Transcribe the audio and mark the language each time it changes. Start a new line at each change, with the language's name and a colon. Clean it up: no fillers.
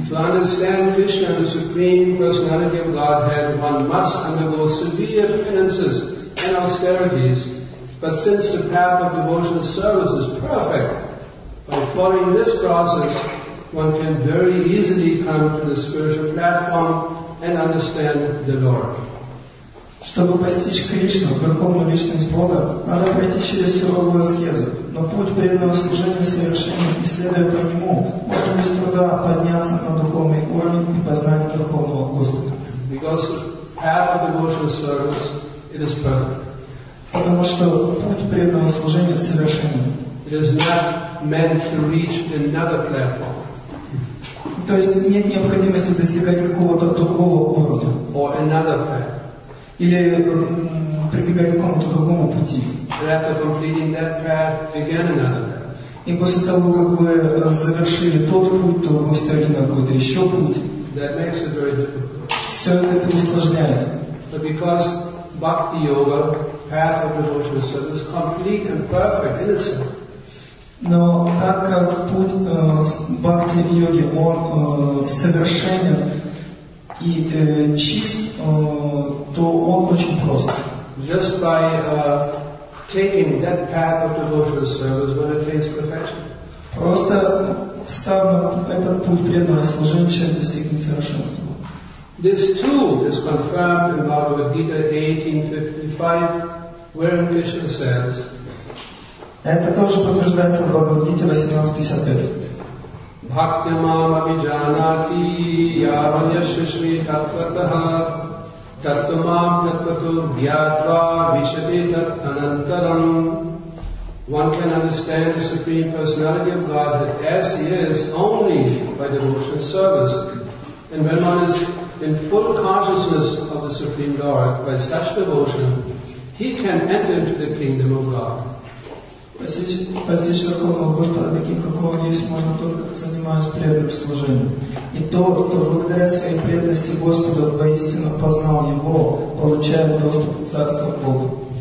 English: To understand Krishna, the Supreme Personality of Godhead, one must undergo severe penances and austerities. But since the path of devotional service is perfect, by following this process, one can very easily come to the spiritual platform and understand the Lord.
Russian: Чтобы постичь Кришну, верховную личность Бога, надо пройти через суровую аскезу. Но путь преданного служения совершенен, и следуя по нему, можно без труда подняться на духовный уровень и познать верховного Господа.
English: Because the path of devotional service, it is perfect.
Russian: Потому что путь преданного служения совершенен.
English: It is not meant to reach another platform.
Russian: То есть нет необходимости достигать какого-то другого уровня.
English: Or another path.
Russian: Или прибегать к какому-то другому пути.
English: After completing that path, again another.
Russian: И после того, как вы завершили тот путь, то вы встаете на какой-то еще путь.
English: That makes it very difficult.
Russian: Все это усложняет.
English: But because bhakti yoga, path of devotional service, complete and perfect in itself.
Russian: Но так как путь бхакти йоги он совершенен и чист, то он очень прост.
English: Just by taking that path of devotional service, one attains perfection.
Russian: Просто встав на этот путь преданного служения, человек достигнет совершенства.
English: This too is confirmed in Bhagavad Gita 18:55, where Krishna says.
Russian: Это тоже подтверждается в Бхагавад Гите 18:55.
Sanskrit: Бхакти мам абиджанати явая шишми таттватах таттва мам таттвато гьятва вишаде тат анантарам.
English: One can understand the Supreme Personality of Godhead as He is only by devotional service. And when one is in full consciousness of the Supreme Lord by such devotion, he can enter into the kingdom of God.
Russian: Постичь Верховного Господа таким, какого он есть, можно только занимаясь преданным служением. И тот, кто благодаря своей преданности Господу воистину познал Его, получает доступ к Царству Бога.